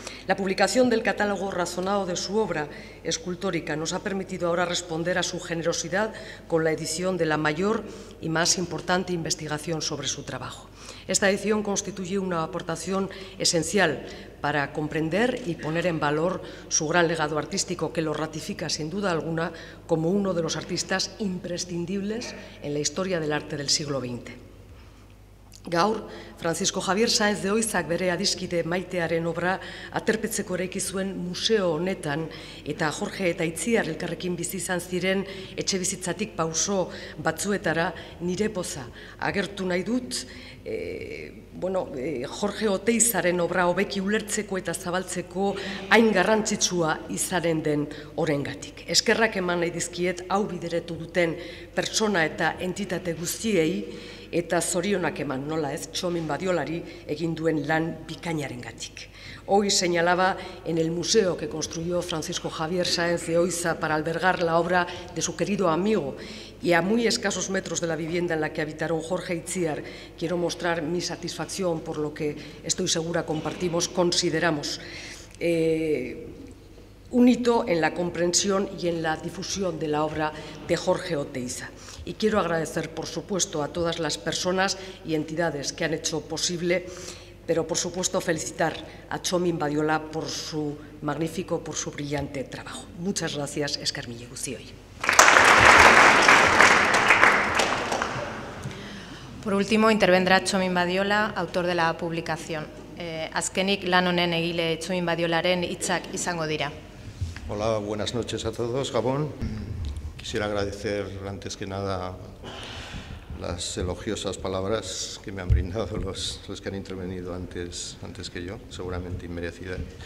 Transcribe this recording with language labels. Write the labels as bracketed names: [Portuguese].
[Spanish] La publicación del catálogo razonado de su obra escultórica nos ha permitido ahora responder a su generosidad con la edición de la mayor y más importante investigación sobre su trabajo. Esta edición constituye una aportación esencial para comprender y poner en valor su gran legado artístico, que lo ratifica sin duda alguna como uno de los artistas imprescindibles en la historia del arte del siglo XX. [Basque] Gaur, Francisco Javier Sáenz de Oizak bere adiskide maitearen obra aterpetzeko eraiki zuen museo honetan eta Jorge eta Itziar elkarrekin bizi izan ziren etxe bizitzatik pauso batzuetara nire poza agertu nahi dut Jorge Oteizaren obra hobeki ulertzeko eta zabaltzeko hain garrantzitsua izaren den horrengatik. Eskerrak eman nahi dizkiet hau bideretu duten pertsona eta entitate guztiei eta zorionak eman, nola ez, Txomin Badiolari egin duen lan bikainarengatik. [Spanish] Hoy señalaba en el museo que construyó Francisco Javier Sáenz de Oiza para albergar la obra de su querido amigo y a muy escasos metros de la vivienda en la que habitaron Jorge Itziar, quiero mostrar mi satisfacción por lo que estoy segura compartimos, consideramos un hito en la comprensión y en la difusión de la obra de Jorge Oteiza. Y quiero agradecer, por supuesto, a todas las personas y entidades que han hecho posible, pero por supuesto felicitar a Txomin Badiola por su magnífico, por su brillante trabajo. Muchas gracias, [Basque] Esker Mille Guztioi. [Spanish] Por último, intervendrá Txomin Badiola, autor de la publicación. [Basque] Azkenik lan honen egile Txomin Badiolaren hitzak izango dira. [Spanish] Hola, buenas noches a todos, Gabón. Quisiera agradecer antes que nada las elogiosas palabras que me han brindado los que han intervenido antes que yo, seguramente inmerecidas.